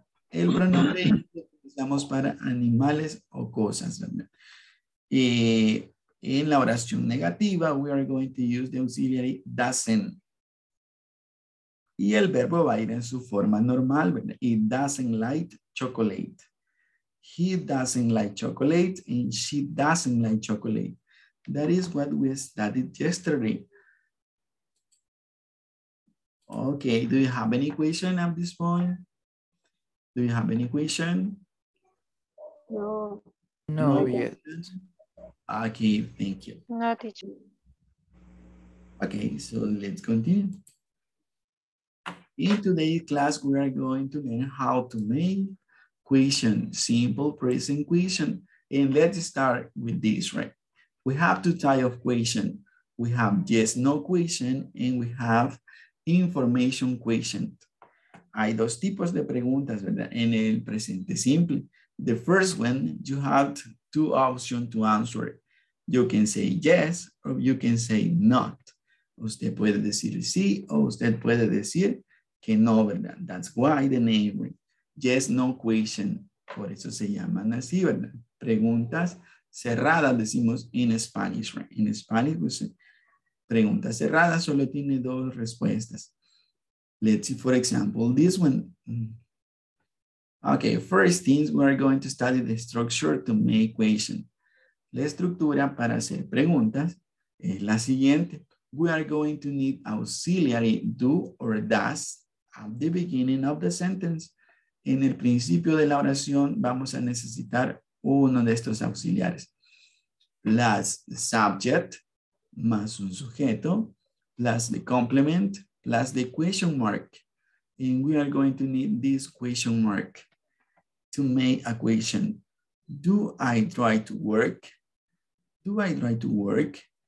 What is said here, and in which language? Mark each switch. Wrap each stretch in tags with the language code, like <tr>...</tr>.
<es>El pronombre lo utilizamos para animales o cosas, ¿verdad? Y en la oración negativa,</es> <en>we are going to use the auxiliary doesn't.</en> <es>Y el verbo va a ir en su forma normal, ¿verdad?</es> <en>It doesn't like chocolate. He doesn't like chocolate and she doesn't like chocolate. That is what we studied yesterday. Okay, do you have any question at this point? Do you have any question? No. No, yet. Okay, thank you. No, teacher. Okay, so let's continue. In today's class, we are going to learn how to make question, simple present question. And let's start with this, right? We have two types of question. We have yes, no question, and we have information question.</en> <es>Hay dos tipos de preguntas, ¿verdad? En el presente simple.</es> <en>The first one, you have two options to answer. You can say yes, or you can say not.</en> <es>Usted puede decir sí, o usted puede decir que no, ¿verdad?</es> <en>That's why the name, yes, no question.</en> <es>Por eso se llaman así, ¿verdad? Preguntas cerradas, decimos</es> <en>in Spanish, right? In Spanish, we say,</en> <es>preguntas cerradas, solo tiene dos respuestas.</es> <en>Let's see, for example, this one. Okay, first things, we are going to study the structure to make question.</en> <es>La estructura para hacer preguntas es la siguiente.</es> <en>We are going to need auxiliary do or does at the beginning of the sentence.</en> <es>En el principio de la oración vamos a necesitar uno de estos auxiliares.</es> <en>Plus the subject,</en> <es>más un sujeto,</es> <en>plus the complement, plus the question mark, and we are going to need this question mark to make a question. Do I try to work? Do I try to work?</en>